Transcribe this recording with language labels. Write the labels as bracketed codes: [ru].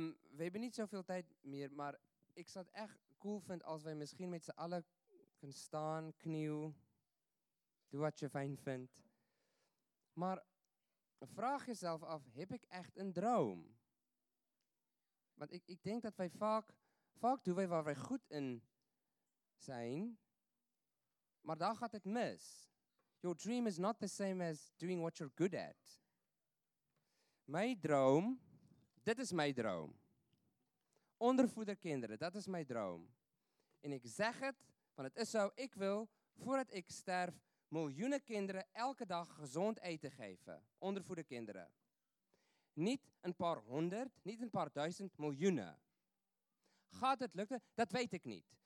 [nl] we hebben niet zoveel tijd meer, maar ik zou het echt cool vinden als wij misschien met z'n allen kunnen staan, knielen, doe wat je fijn vindt. Maar vraag jezelf af, heb ik echt een droom? Want ik denk dat wij vaak doen wij waar wij goed in zijn, maar daar gaat het mis. [en] Your dream is not the same as doing what you're good at. [nl] Mijn droom... Dit is mijn droom. Ondervoeder kinderen, dat is mijn droom. En ik zeg het, want het is zo. Ik wil, voordat ik sterf, miljoenen kinderen elke dag gezond eten geven. Ondervoeder kinderen. Niet een paar honderd, niet een paar duizend, miljoenen. Gaat het lukken? Dat weet ik niet.